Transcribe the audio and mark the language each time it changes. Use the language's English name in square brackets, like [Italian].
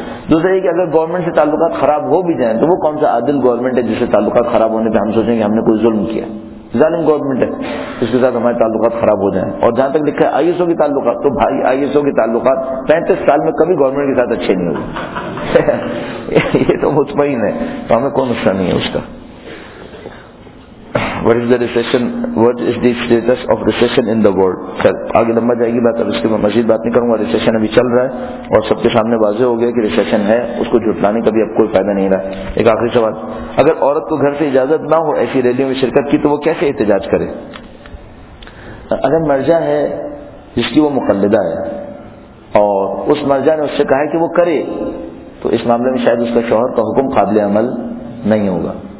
[Urdu] دوسرا یہ کہ اگر گورنمنٹ سے تعلقات خراب ہو بھی جائیں تو وہ کون سا عادل گورنمنٹ ہے جس سے تعلقات خراب ہونے پہ ہم سوچیں کہ ہم نے کوئی ظلم کیا؟ ظالم گورنمنٹ ہے, اس کے ساتھ ہمارے تعلقات خراب ہو جائیں. اور جہاں تک لکھا ہے آئی ایس او کے تعلقات, تو بھائی آئی ایس او کے تعلقات 35 سال میں کبھی گورنمنٹ کے ساتھ اچھے نہیں ہوئے, یہ تو مطمئن ہے, تو ہمیں کوئی نقصان نہیں ہے اس کا. [English] What is the recession? What is the status of recession in the world? [Urdu] Sir, آگے لمبا جائے گی بات, اب اس کے میں مزید بات نہیں کروں گا. ریسیشن ابھی چل رہا ہے اور سب کے سامنے واضح ہو گیا کہ ریسیشن ہے, اس کو جھٹلانے کا بھی اب کوئی فائدہ نہیں رہا. ایک آخری سوال, اگر عورت کو گھر سے اجازت نہ ہو ایسی ریلیوں میں شرکت کی تو وہ کیسے احتجاج کرے؟ اگر مرجع ہے جس کی وہ مقلدہ ہے اور اس مرجع نے اس سے کہا ہے کہ وہ کرے, تو اس معاملے میں شاید اس کا شوہر کا حکم قابل عمل نہیں ہوگا.